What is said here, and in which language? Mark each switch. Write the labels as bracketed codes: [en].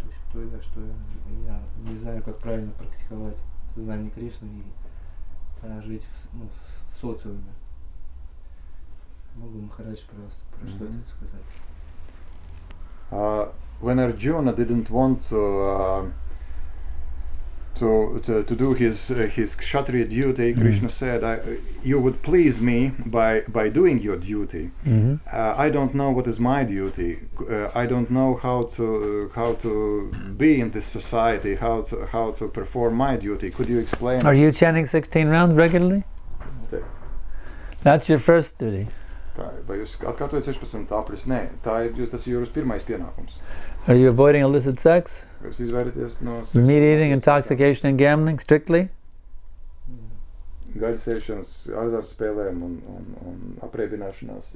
[ru] Что я не знаю, как правильно практиковать сознание Кришны и жить в социуме. Могу Махарадж, пожалуйста, про что это сказать? [en] When Arjuna didn't want to do his kshatriya duty, Krishna said, "You would please me by doing your duty. I don't know what is my duty. I don't know how to be in this society. How to perform my duty. Could you explain?" Are you chanting 16 rounds regularly? That's your first duty. [lv] Vai jūs atkārtojat 16 aplis? Nē, tas ir jūsu pirmais pienākums. [en] Are you avoiding illicit sex? [lv] Jūs izvairāties no... [en] Meat eating, intoxication and gambling, strictly? [lv] Gaļas sēšanas, azarta spēlēm un apriebināšanās.